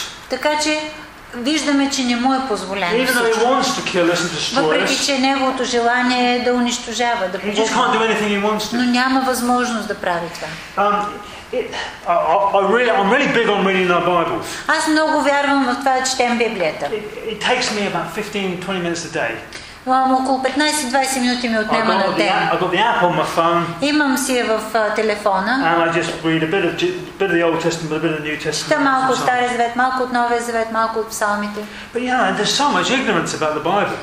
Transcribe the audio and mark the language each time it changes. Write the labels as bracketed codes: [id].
[bg] Така че виждаме, че не му е позволено. Въпреки че неговото желание е да унищожава, да пожелава, но няма възможност да прави това. [en] I'm really big on reading our Bibles. [bg] Аз много вярвам в това, че четем Библията. [en] It takes me about 15-20 minutes a day. [bg] Около 15-20 минути ми отнема на ден. [en] I got the app on my phone. [bg] Имам си я в телефона. [en] And I just read a bit of the Old Testament, a bit of the New Testament. [bg] Чета малко от Стария Завет, малко от Новия Завет, малко от Псалмите. [en] But yeah, there's so much ignorance about the Bible.